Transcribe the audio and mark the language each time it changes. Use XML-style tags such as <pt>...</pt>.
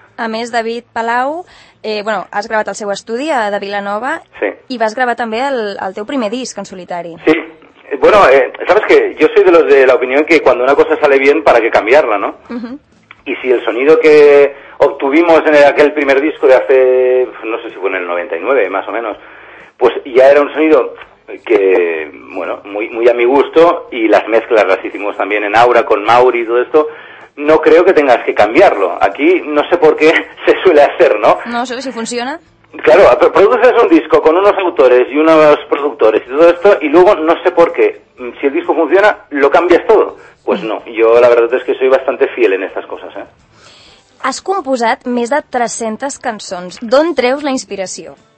<ca>A més, David Palau, bueno, has gravat el seu estudi de Vilanova. Sí. I vas gravar també el teu primer disc en solitari. Sí.</ca> <es>Bueno, sabes que yo soy de los de la opinión que cuando una cosa sale bien, ¿para qué cambiarla, no? Uh-huh. Y si el sonido que obtuvimos en aquel primer disco de hace, no sé si fue en el 99, más o menos, pues ya era un sonido... que, bueno, muy muy a mi gusto, y las mezclas las hicimos también en Aura con Mauri y todo esto, no creo que tengas que cambiarlo. Aquí no sé por qué se suele hacer, ¿no? No sé si funciona. Claro, produces un disco con unos autores y unos productores y todo esto, y luego no sé por qué, si el disco funciona, lo cambias todo. Pues no, jo la verdad es que soy bastante fiel en estas cosas, ¿eh?</es> <ca>Has composat més de 300 cançons. D'on treus la inspiració?</ca>